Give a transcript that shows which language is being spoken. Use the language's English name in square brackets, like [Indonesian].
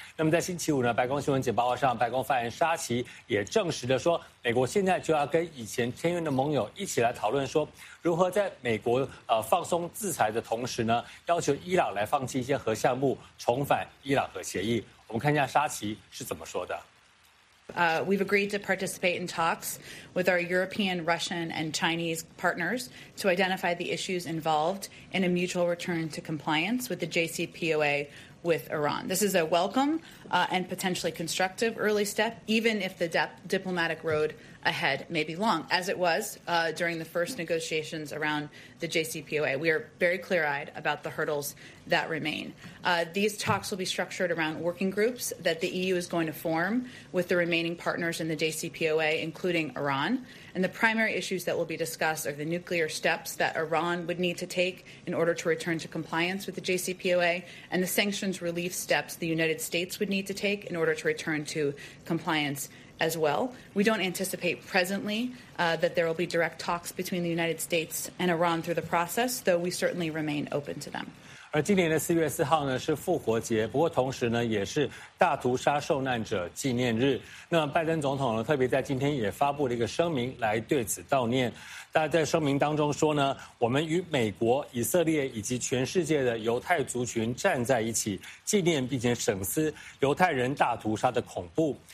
[Chinese] 那么在星期五呢，白宫新闻简报会上，白宫发言沙奇也证实了说，美国现在就要跟以前签约的盟友一起来讨论说，如何在美国放松制裁的同时呢，要求伊朗来放弃一些核项目，重返伊朗核协议。我们看一下沙奇是怎么说的。 [English] We've agreed to participate in talks with our European, Russian, and Chinese partners to identify the issues involved in a mutual return to compliance with the JCPOA with Iran. This is a welcome and potentially constructive early step, even if the diplomatic road ahead may be long, as it was during the first negotiations around the JCPOA. We are very clear-eyed about the hurdles that remain. These talks will be structured around working groups that the EU is going to form with the remaining partners in the JCPOA, including Iran. And the primary issues that will be discussed are the nuclear steps that Iran would need to take in order to return to compliance with the JCPOA, and the sanctions relief steps the United States would need to take in order to return to compliance as well. We don't anticipate presently that there will be direct talks between the United States and Iran through the process, though we certainly remain open to them. [Chinese] 而今年的4月4号呢是复活节，不过同时呢也是大屠杀受难者纪念日。那拜登总统呢特别在今天也发布了一个声明来对此悼念。大家在声明当中说呢，我们与美国、以色列以及全世界的犹太族群站在一起，纪念并且省思犹太人大屠杀的恐怖。